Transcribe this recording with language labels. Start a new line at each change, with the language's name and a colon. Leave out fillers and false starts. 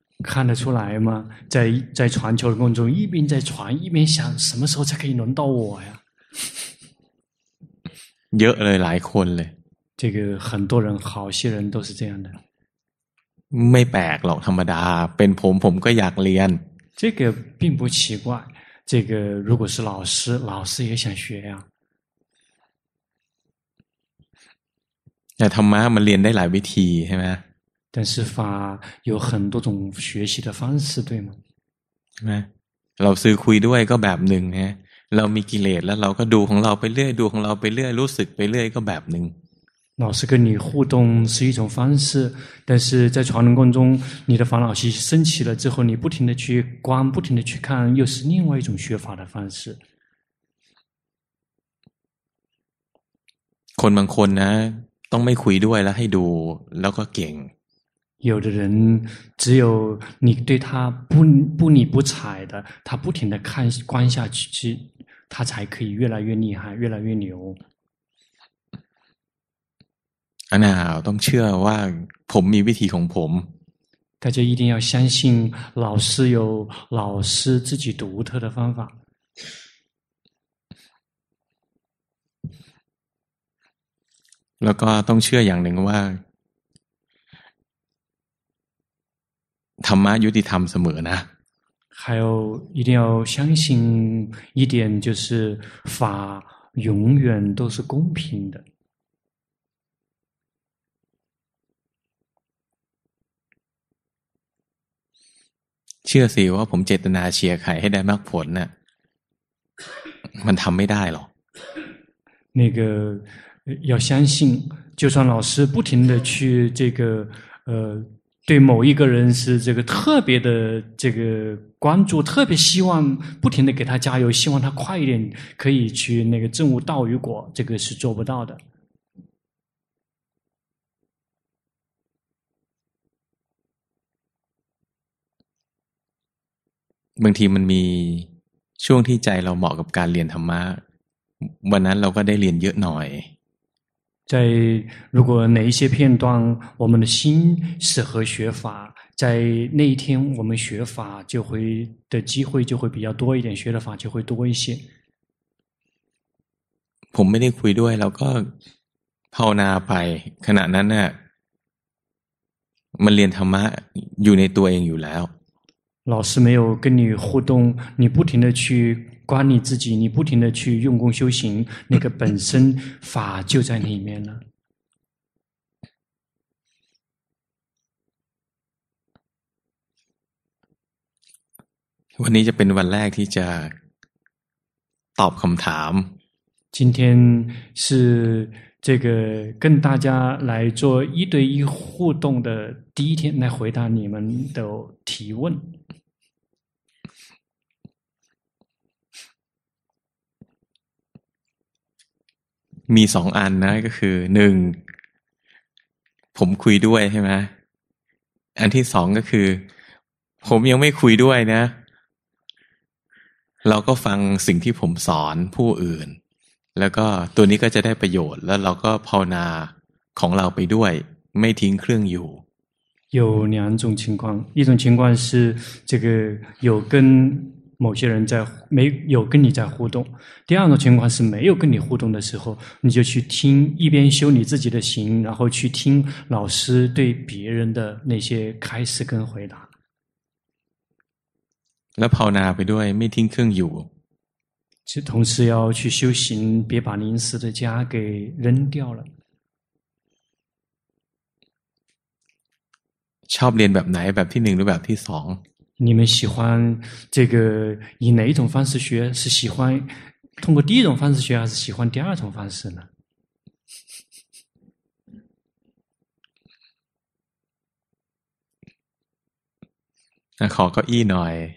Chinese: 看得出来吗在传球的过程中一边在传一边想什么时候才可以轮到我呀
Thai: เยอะเลยหลายคนเลย
Chinese: 这个很多人好些人都是这样的
Thai: ไม่แปลกหรอกธรรมดาเป็นผมก็อยากเรียน
Chinese: 这个并不奇怪这个如果是老师老师也想学呀
Thai: แต่ธรรมะมันเรียนได้หลายวิธีใช่ไหม
Chinese: 但是法有很多种学习的方式对吗
Thai: ใช่ไหมเราซื้อคุยด้วยก็แบบหนึ่งไงเรามีกิเลสแล้วเราก็ดูของเราไปเรื่อยดูของเราไปเรื่อยรู้สึกไปเรื่อยก็แบบนึง
Chinese: 老师跟你互动是一种方式但是在传的过程中你的烦恼习升起了之后你不停的去观不停的去看又是另外一种学法的方式
Thai: คนบางคนนะต้องไม่คุยด้วยแล้วให้ดูแล้วก็เก่ง
Chinese: 有的人只有你对他不理不睬的他不停的看观下去他才可以越来越厉害越来越牛
Thai: อันนั้นต้องเชื่อว่าผมมีวิธีของผม
Chinese: 大家一定要相信老师有老师自己独特的方法
Thai: แล้วก็ต้องเชื่ออย่างหนึ่งว่าธรรมะยุติธรรมเสมอนะ
Chinese: 还有一定要相信一点就是法永远都是公平的
Thai: เชื่อสิว่าผมเจตนาเชียร์ใครให้ได้มากผลน่ะมันทำไม่ได้หรอก
Chinese: 那个要相信就算老师不停的去这个对某一个人是这个特别的这个关注特别希望不停地给他加油希望他快一点可以去那个证悟道与果这个是做不到的
Thai: บางทีมันมีช่วงที่ใจเราเหมาะกับการเรียนธรรมะวันนั้นเราก็ได้เรียนเยอะหน่อย
Chinese: 在如果哪一些片段我们的心适合学法在那一天我们学法就会的机会就会比较多一点学的法就会多一些
Thai: ผมไม่ได้คุยด้วยแล้วก็ภาวนาไปขณะนั้นน่ะมันเรียนธรรมะอยู่ในตัวเองอยู่แล้ว
Chinese: 老师没有跟你互动你不停的去管你自己你不停的去用功修行那个本身法就在里面了
Thai: วันนี้จะเป็นวันแรกที่จะตอบคำถาม
Chinese: 今天是这个跟大家来做一对一互动的第一天，来回答你们的提问。
Thai: มีสองอันนะก็คือหนึ่งผมคุยด้วยใช่ไหมอันที่สองก็คือผมยังไม่คุยด้วยนะเราก็ฟังสิ่งที่ผมสอนผู้อื่นแล้วก็ตัวนี้ก็จะได้ประโยชน์แล้วเราก็ภาวนาของเราไปด้วยไม่ทิ้งเครื่องอยู่
Chinese: 有两种情况一种情况是这个有跟某些人在没有跟你在互动第二种情况是没有跟你互动的时候你就去听一边修你自己的行然后去听老师对别人的那些开示跟回答
Thai: แล้วภาวนาไปด้วยไม่ทิ้งเครื่องอยู่
Chinese: 就同时要去修行别把临时的家给扔掉了
Thai: ชอบเรียนแบบไหนแบบที่หนึ่งหรือแบบที่สอง
Chinese: 你们喜欢这个以哪一种方式学是喜欢通过第一种方式学还是喜欢第二种方式呢
Thai: 那ขอเก้าอี้หน่อย